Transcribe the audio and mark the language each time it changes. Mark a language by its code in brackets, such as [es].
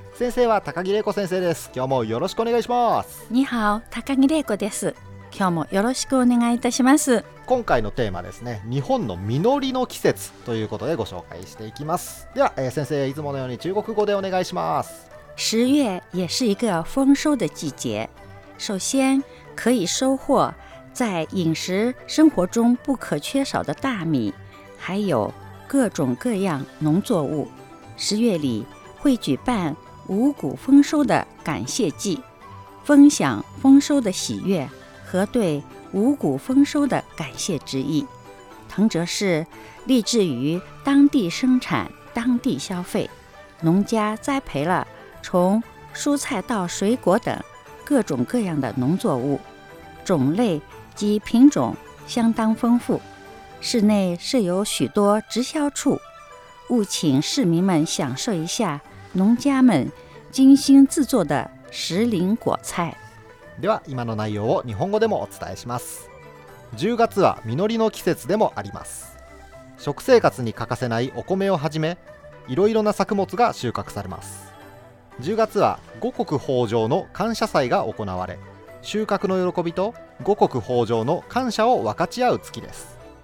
[ja] 先生は高木玲子先生です。今日もよろしくお願いします。ニハオ、高木玲子です。今日もよろしくお願いいたします。今回のテーマですね、日本の実りの季節ということでご紹介していきます。では、先生いつものように中国語でお願いします。 [zh] 十月也是一个丰收的季节，首先可以收获在饮食生活中不可缺少的大米，还有各种各样农作物。十月里会举办五谷丰收的感谢祭，分享丰收的喜悦和对五谷丰收的感谢之意。藤泽市立志于当地生产，当地消费，农家栽培了从蔬菜到水果等各种各样的农作物，种类及品种相当丰富。室内设有许多直销处，务请市民们享受一下农家们精心制作的时令果菜。 [ja] では今の内容を日本語でもお伝えします。10月は実りの季節でもあります。食生活に欠かせないお米をはじめ、いろいろな作物が収穫されます。 10月は五穀豊穣の感謝祭が行われ、収穫の喜びと五穀豊穣の感謝を分かち合う月です。